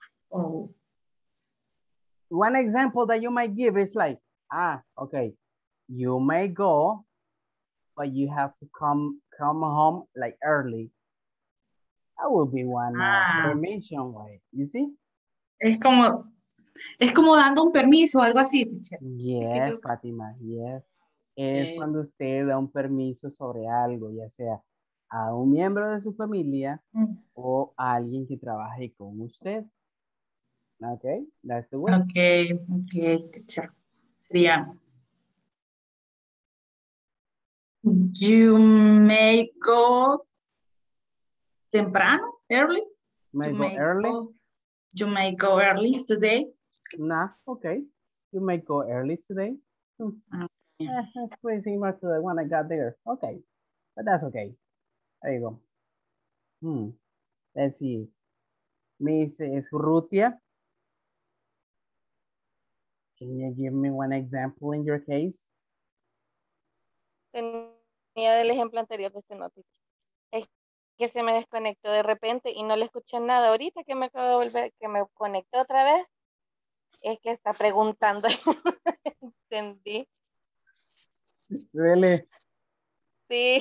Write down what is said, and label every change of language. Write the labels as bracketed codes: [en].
[en] Oh. One example that you might give is like, okay, you may go, but you have to come home like early. That will be one permission way, you see? [es] Es como dando un permiso, algo así, teacher. [en] Yes, [es] es que [en] Fátima, yes. [es] Es cuando usted da un permiso sobre algo, ya sea a un miembro de su familia o a alguien que trabaje con usted. [en] Okay, that's the word. [es] Okay, teacher. Sería. [en] You may go [es] temprano, [en] early? You may go early today. Nah, okay. You may go early today. That's pretty similar to the one I got there. Okay, but that's okay. There you go. Let's see. Miss Escrutia, can you give me one example in your case? [es] Tenía del ejemplo anterior de este noticia. Que se me desconectó de repente y no le escuché nada. Ahorita que me acabo de volver, que me conectó otra vez, es que está preguntando. Entendí. [en] Really? [es] Sí.